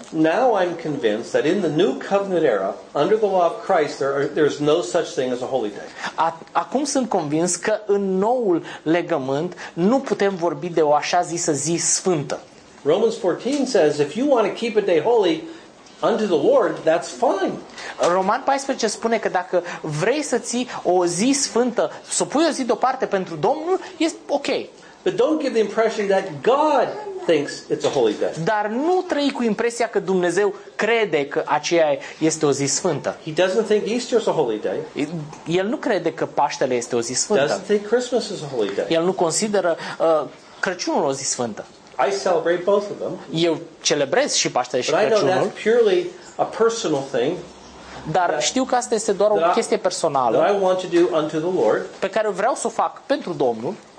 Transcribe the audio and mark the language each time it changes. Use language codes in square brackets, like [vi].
[en] Now I'm convinced that in the new covenant era, under the law of Christ, there's no such thing as a holy day. [ro] Acum sunt convins că în noul legământ nu putem vorbi de o așa zisă zi sfântă. [en] Romans 14 says if you want to keep a day holy unto the Lord, that's fine. [ro] Roman 14 spune că dacă vrei să ții o zi sfântă, să pui o zi deoparte pentru Domnul, este ok. [en] But don't give the impression that God thinks it's a holy day. [ro] Dar nu trăi cu impresia că Dumnezeu crede că aceea este o zi sfântă. [en] He doesn't think Easter is a holy day. [ro] El nu crede că Paștele este o zi sfântă. [en] Doesn't think Christmas is a holy day. [ro] El nu consideră Crăciunul o zi sfântă. [en] I celebrate both of them. [ro] Eu celebrez și Paștele și Crăciunul. [en] But I know that's purely a personal thing. [ro] Dar știu că asta este doar o chestie personală pe care vreau să o fac pentru Domnul.